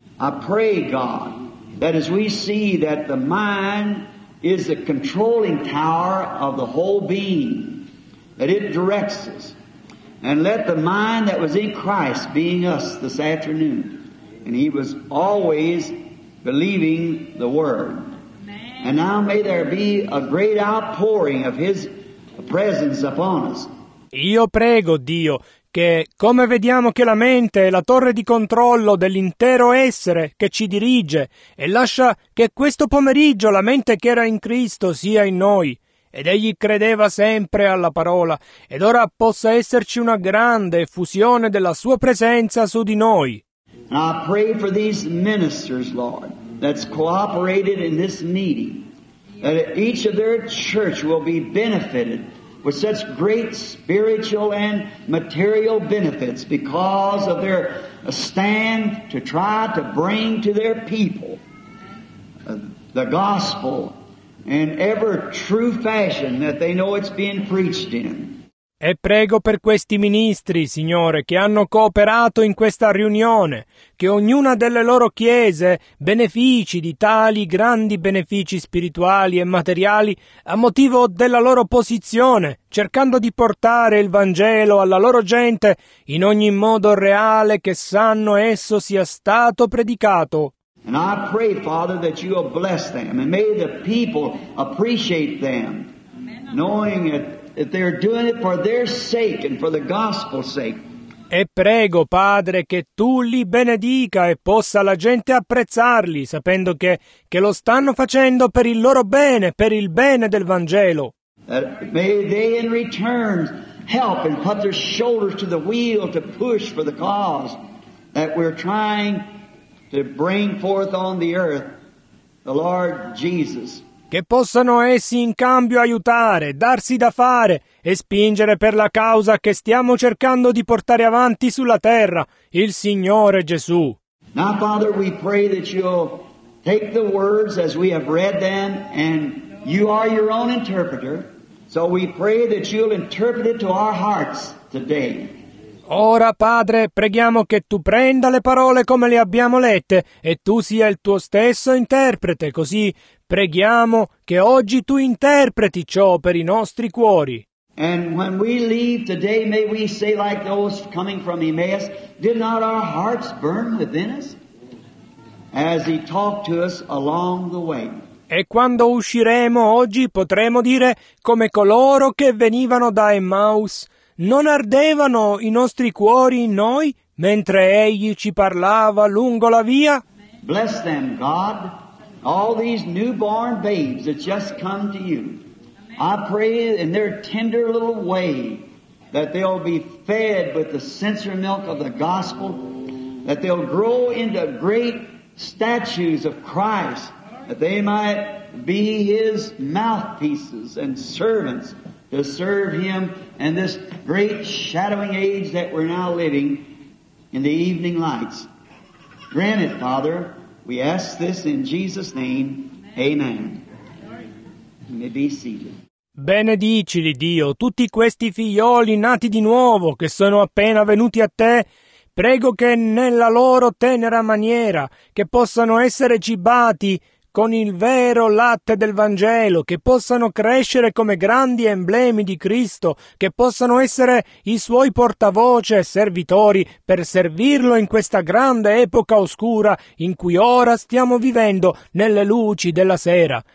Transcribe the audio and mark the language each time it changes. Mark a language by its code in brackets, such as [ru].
[en] I pray, God, that as we see that the mind is the controlling power of the whole being, that it directs us. And let the mind that was in Christ be in us this afternoon. And He was always believing the Word. Amen. And now may there be a great outpouring of His presence upon us. [it] Io prego, Dio, che come vediamo che la mente è la torre di controllo dell'intero essere che ci dirige e lascia che questo pomeriggio la mente che era in Cristo sia in noi, ed Egli credeva sempre alla parola, ed ora possa esserci una grande effusione della Sua presenza su di noi. [en] I pray for these ministers, Lord, that's cooperated in this meeting, that each of their church will be benefited with such great spiritual and material benefits because of their stand to try to bring to their people the gospel in every true fashion that they know it's being preached in. [it] E prego per questi ministri, Signore, che hanno cooperato in questa riunione, che ognuna delle loro chiese benefici di tali grandi benefici spirituali e materiali a motivo della loro posizione, cercando di portare il Vangelo alla loro gente in ogni modo reale che sanno esso sia stato predicato. [en] And I pray, Father, that you will bless them and may the people appreciate them, knowing it. That they're doing it for their sake and for the gospel's sake. [it] E prego, Padre, che tu li benedica e possa la gente apprezzarli, sapendo che lo stanno facendo per il loro bene, per il bene del Vangelo. [en] May they in return help and put their shoulders to the wheel to push for the cause that we're trying to bring forth on the earth, the Lord Jesus. [it] Che possano essi in cambio aiutare, darsi da fare e spingere per la causa che stiamo cercando di portare avanti sulla terra, il Signore Gesù. [en] Now, Father, we pray that you'll take the words as we have read them, and you are your own interpreter, so we pray that you'll interpret it to our hearts today. [it] Ora, Padre, preghiamo che tu prenda le parole come le abbiamo lette e tu sia il tuo stesso interprete, così preghiamo che oggi tu interpreti ciò per i nostri cuori. [en] And when we leave today, may we say like those coming from Emmaus, did not our hearts burn within us as he talked to us along the way? [it] E quando usciremo oggi potremo dire come coloro che venivano da Emmaus, non ardevano i nostri cuori in noi mentre egli ci parlava lungo la via? [en] Bless them, God. All these newborn babes that just come to you, I pray in their tender little way that they'll be fed with the sincere milk of the gospel, that they'll grow into great statues of Christ, that they might be his mouthpieces and servants to serve him in this great shadowing age that we're now living in the evening lights. Grant it, Father. We ask this in Jesus' name. Amen. You may be seated. [it] Benedicili, Dio, tutti questi figlioli nati di nuovo che sono appena venuti a te. Prego che nella loro tenera maniera che possano essere cibati con il vero latte del Vangelo, che possano crescere come grandi emblemi di Cristo, che possano essere i suoi portavoce e servitori per servirlo in questa grande epoca oscura in cui ora stiamo vivendo nelle luci della sera.